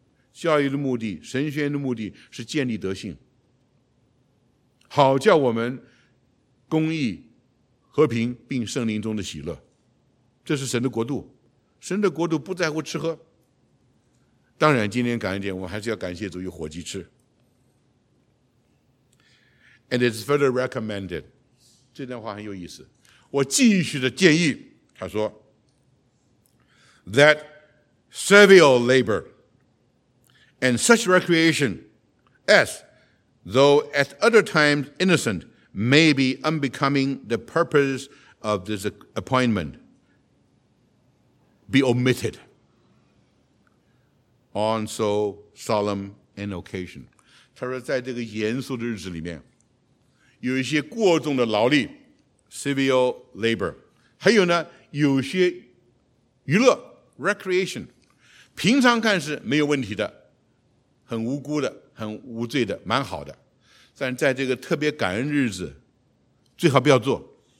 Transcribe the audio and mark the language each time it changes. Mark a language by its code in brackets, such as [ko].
[zh] 教育的目的、神学的目的是建立德性，好叫我们公义、和平并圣灵中的喜乐。这是神的国度，神的国度不在乎吃喝。当然今天感恩节我们还是要感谢主有火鸡吃。 [en] And it's further recommended， [zh] 这段话很有意思，我继续的建议，他说 [en] That servile labor and such recreation as though at other times innocent, may be unbecoming the purpose of this appointment, be omitted on so solemn an occasion. [zh] 他说在这个严肃的日子里面，有一些过重的劳力 civil labor， 还有呢有些娱乐 recreation， 平常看是没有问题的，很无辜的，很无罪的，蛮好的，但在这个特别感恩日子最好不要做。